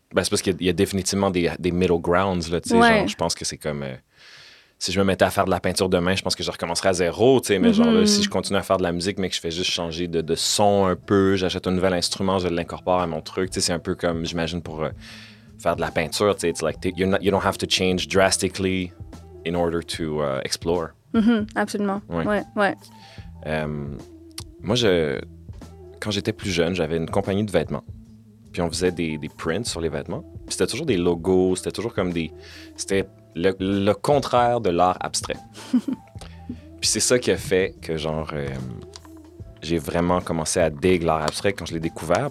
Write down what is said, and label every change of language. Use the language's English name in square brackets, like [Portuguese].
[French] Ben, c'est parce qu'il y a définitivement des middle grounds, là, tu sais. Ouais. Genre, je pense que c'est comme... Si je me mettais à faire de la peinture demain, je pense que je recommencerais à zéro, tu sais. Mais genre, là, si je continue à faire de la musique, mais que je fais juste changer de son un peu, j'achète un nouvel instrument, je l'incorpore à mon truc, tu sais, c'est un peu comme, j'imagine, pour faire de la peinture, tu sais. [English] It's like, you don't have to change drastically in order to explore. [French] Mm-hmm, absolument. Oui. Ouais, ouais. Moi, quand j'étais plus jeune, j'avais une compagnie de vêtements. Puis on faisait des prints sur les vêtements. Puis c'était toujours des logos, c'était toujours comme des... C'était le contraire de l'art abstrait. Puis c'est ça qui a fait que, genre, j'ai vraiment commencé à dig l'art abstrait quand je l'ai découvert.